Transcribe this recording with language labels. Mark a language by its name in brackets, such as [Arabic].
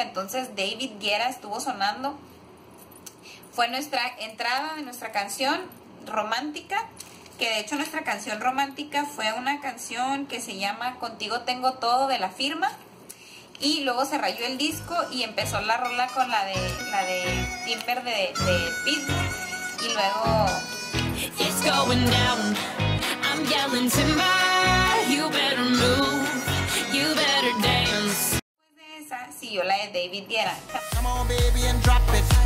[Spanish] Entonces David Guetta estuvo sonando. Fue nuestra entrada de nuestra canción romántica, que de hecho nuestra canción romántica fue una canción que se llama Contigo Tengo Todo de La Firma, y luego se rayó el disco y empezó la rola con la de Timber de Pitbull, y luego... [English] It's going down, I'm yelling timber, you better move, you better dance. [Spanish] Después de esa siguió la de David Guetta. [English] Come on baby and drop it.